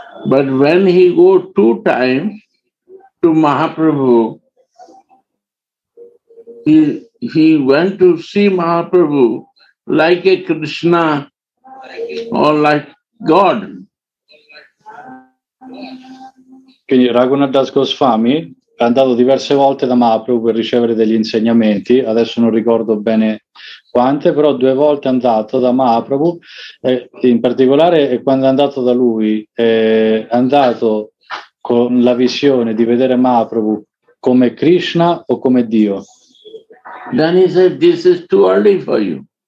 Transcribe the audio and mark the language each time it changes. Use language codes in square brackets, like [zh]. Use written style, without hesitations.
[en] But when he go two times to Mahaprabhu, he went to see Mahaprabhu like a Krishna or like God. [it] Quindi Raghunandas Goswami è andato diverse volte da Mahaprabhu per ricevere degli insegnamenti, adesso non ricordo bene quante, però due volte è andato da Mahaprabhu, in particolare quando è andato da lui è andato con la visione di vedere Mahaprabhu come Krishna o come Dio. [en] Then he said, this is too early for you.